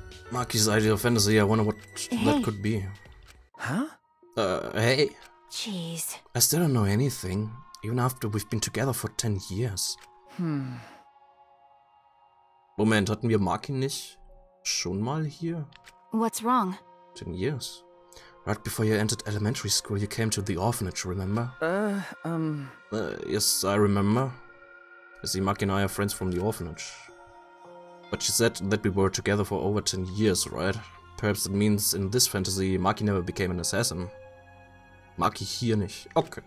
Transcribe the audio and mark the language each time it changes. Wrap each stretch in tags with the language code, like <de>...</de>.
<en>Maki's idea of fantasy, I wonder what that could be. Huh? Hey. Jeez. I still don't know anything, even after we've been together for 10 years.</en> <de>Moment, hatten wir Marky nicht schon mal hier?</de> <en>What's wrong? 10 years. Right before you entered elementary school, you came to the orphanage, remember? Yes, I remember. You see, Marky and I are friends from the orphanage. But she said that we were together for over 10 years, right? Perhaps it means in this fantasy, Marky never became an assassin.</en> <de>Marky hier nicht.</de> <en>Okay.</en>